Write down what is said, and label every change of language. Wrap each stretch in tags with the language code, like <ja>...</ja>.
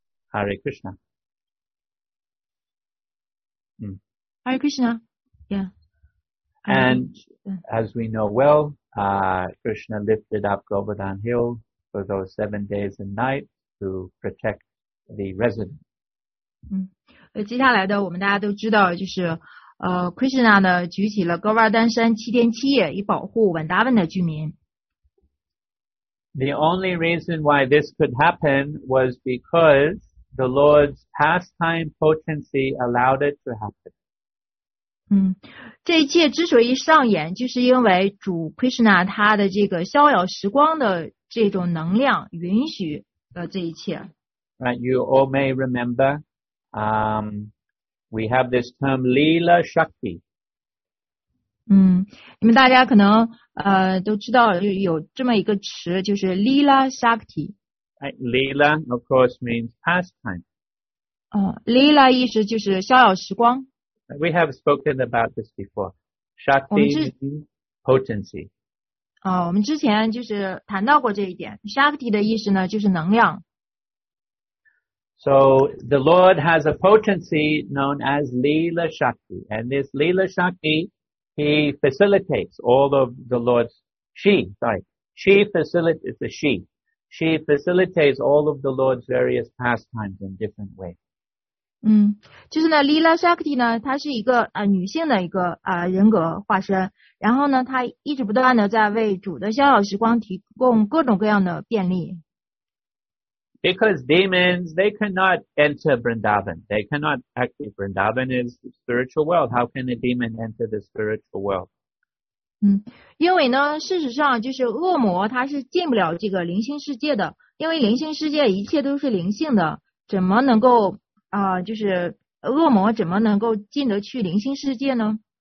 <sa>Hare Krishna. Hare Krishna. Yeah.</sa> <en>And as we know well, Krishna lifted up Govardhan Hill for those 7 days and nights to protect. The resident.</en> <zh>嗯，接下来的我们大家都知道，就是Krishna 呢举起了格瓦丹山七天七夜，以保护文达文的居民。</zh> <en>The only reason why this could happen was because the Lord's pastime potency allowed it to happen.</en> <zh>嗯，这一切之所以上演，就是因为主 Krishna 他的这个逍遥时光的这种能量允许这一切。</zh> <en>Right, you all may remember, we have this term Lila Shakti.</en> <zh>嗯，你们大家可能都知道有这么一个词，就是 Lila Shakti.</zh> <en>Right, Lila of course means pastime.</en> <zh>Lila 意思就是逍遥时光。</zh> <en>We have spoken about this before. Shakti means potency.</en> <zh>我们之前就是谈到过这一点。 Shakti 的意思呢，就是能量。</zh> <en>So the Lord has a potency known as Lila Shakti, and this Lila Shakti, He facilitates all of the Lord's She facilitates all of the Lord's various pastimes in different ways.</en> <zh>嗯，就是呢 ，Lila Shakti 呢，它是一个女性的一个人格化身，然后呢，它一直不断的在为主的逍遥时光提供各种各样的便利。</zh> <en>Because demons, they cannot enter Vrindavan. They cannot, actually, Vrindavan is the spiritual world. How can a demon enter the spiritual world?</en> <zh>嗯，因为呢，事实上就是恶魔他是进不了这个灵性世界的，因为灵性世界一切都是灵性的，怎么能够就是恶魔怎么能够进得去灵性世界呢？</zh>